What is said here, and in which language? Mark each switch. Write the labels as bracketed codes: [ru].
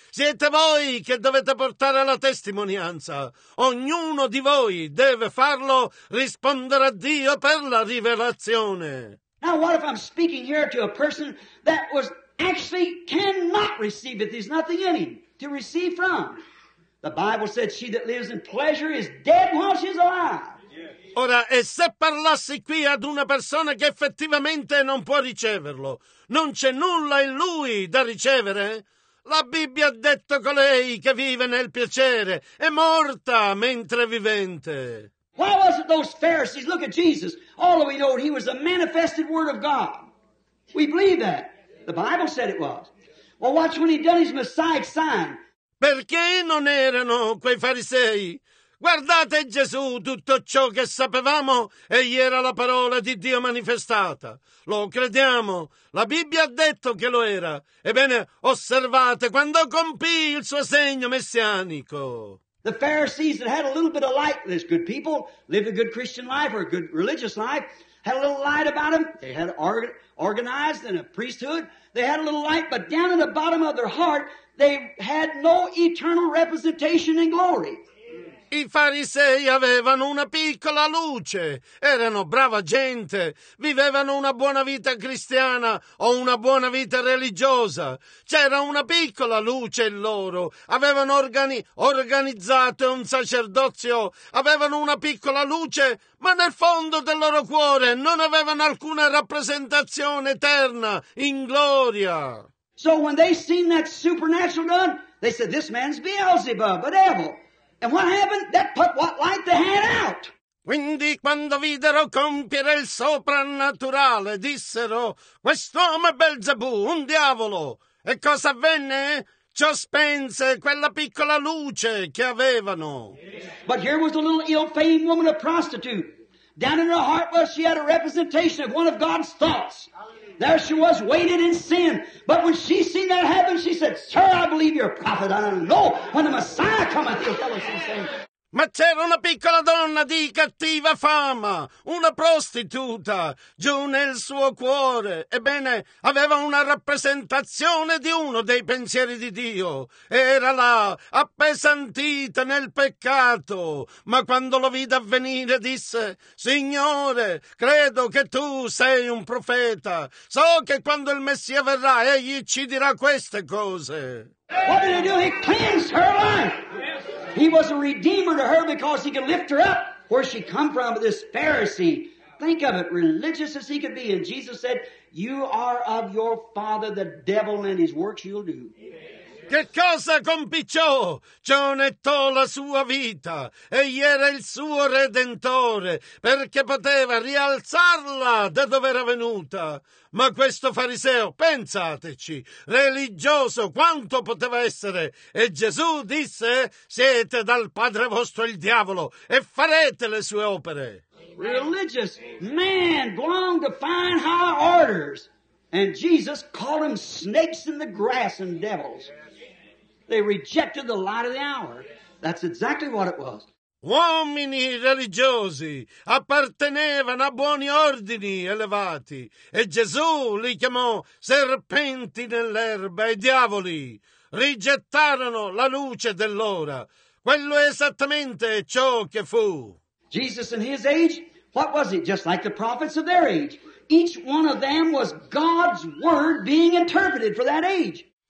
[it] Siete voi che dovete portare la testimonianza. Ognuno di voi deve farlo, rispondere a Dio per la rivelazione. [en] Now what if I'm speaking here to a person that was actually cannot receive it? There's nothing in him to receive from. The Bible said she that lives in pleasure is dead while she's alive. [it] Ora, e se parlassi qui ad una persona che effettivamente non può riceverlo, non c'è nulla in lui da ricevere? La Bibbia ha detto colei che vive nel piacere, è morta mentre vivente. [en] Why was it those Pharisees? Look at Jesus. All that we know, he was a manifested word of God. We believe that. The Bible said it was. Well, watch when he done his Messiah sign. [it] Perché non erano quei farisei? Guardate Gesù, tutto ciò che sapevamo, egli era la parola di Dio manifestata. Lo crediamo, la Bibbia ha detto che lo era. Ebbene, osservate quando compì il suo segno messianico. [en] The Pharisees that had a little bit of light, this good people, lived a good Christian life or a good religious life, had a little light about them. They had organized in a priesthood. They had a little light, but down in the bottom of their heart, they had no eternal representation in glory. [it] I farisei avevano una piccola luce, erano brava gente, vivevano una buona vita cristiana o una buona vita religiosa. C'era una piccola luce in loro, avevano organizzato un sacerdozio, avevano una piccola luce, ma nel fondo del loro cuore non avevano alcuna rappresentazione eterna in gloria. [en] So when they seen that supernatural done, they said, this man's Beelzebub, a devil. And what happened? That put what light they had out. [it] Quindi quando videro compiere il soprannaturale, dissero: quest'uomo è Belzebù, un diavolo. E cosa avvenne? Ciò spense quella piccola luce che avevano. [en] But here was a little ill-famed woman, a prostitute. Down in her heart was she had a representation of one of God's thoughts. There she was, waiting in sin. But when she seen that heaven, she said, Sir, I believe you're a prophet. I don't know when the Messiah cometh, you fellow says. [it] Ma c'era una piccola donna di cattiva fama, una prostituta, giù nel suo cuore. Ebbene, aveva una rappresentazione di uno dei pensieri di Dio. Era là, appesantita nel peccato. Ma quando lo vide avvenire, disse, Signore, credo che tu sei un profeta. So che quando il Messia verrà, egli ci dirà queste cose. [en] What did he do? He cleansed her life. He was a redeemer to her because he could lift her up where she come from, this Pharisee. Think of it, religious as he could be. And Jesus said, you are of your father, the devil, and his works you'll do. [it] Che cosa compicciò? Ciò nettò la sua vita. Egli era il suo redentore perché poteva rialzarla da dove era venuta. Ma questo fariseo, pensateci, religioso quanto poteva essere. E Gesù disse, siete dal padre vostro il diavolo e farete le sue opere. [en] Religious man belonged to fine high orders. And Jesus called him snakes in the grass and devils. They rejected the light of the hour. That's exactly what it was. [it] Uomini religiosi appartenevano a buoni ordini elevati e Gesù li chiamò serpenti nell'erba e diavoli. Rigettarono la luce dell'ora. Quello è esattamente ciò che fu. [en] Jesus in his age, what was it? Just like the prophets of their age. Each one of them was God's word being interpreted for that age.